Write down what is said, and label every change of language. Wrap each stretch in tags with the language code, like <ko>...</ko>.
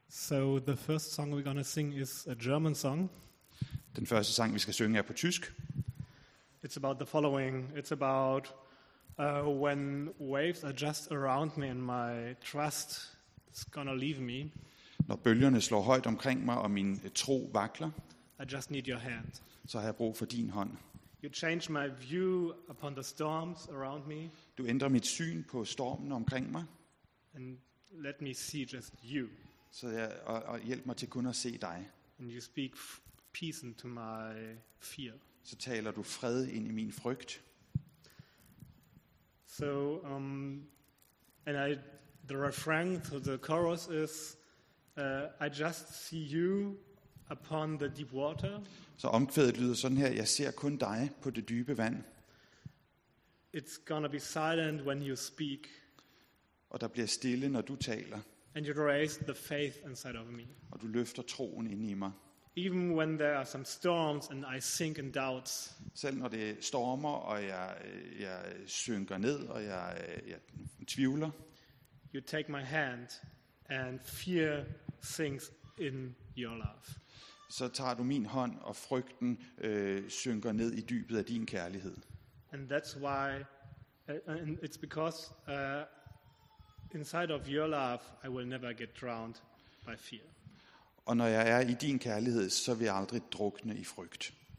<en>So the first song we're going to sing is a German song.</en> <da>Den første sang vi skal synge er på tysk. A</da> <en>It's about the following. It's about when waves are just around me and my trust is gonna leave me.</en> <da>Når bølgerne slår højt omkring mig og min tro vakler.</da> <en>I just need your hand.</en> <da>Så har jeg brug for din hånd.</da> <en>You change my view upon the storms around me.</en> <da>Du ændrer mit syn på stormen omkring mig.</da> <en>And let me see just you.</en> <da>Så jeg, og hjælp mig til kun at se dig.</da> <en>And you speak peace into my fear.</en> <da>Så taler du fred ind i min frygt.</da> <en>So and I the refrain to the chorus is I just see you upon the deep water.</en> <da>Så omkvædet lyder sådan her: jeg ser kun dig på det dybe vand.</da> <en>It's gonna be silent when you speak.</en> <da>Og der bliver stille når du taler.</da> <en>And you raise the faith inside of me.</en> <da>Og du løfter troen ind i mig.</da> <en>Even when there are some storms and I sink in doubts.</en> <da>Selv når det stormer og jeg synker ned og jeg tvivler.</da> <en>You take my hand and fear sinks in your love.</en> <da>Så tager du min hånd og frygten synker ned i dybet af din kærlighed.</da> <en>And that's why and it's because inside of your love I will never get drowned by fear.</en> <da>Og når jeg er i din kærlighed, så vil jeg aldrig drukne i frygt.</da>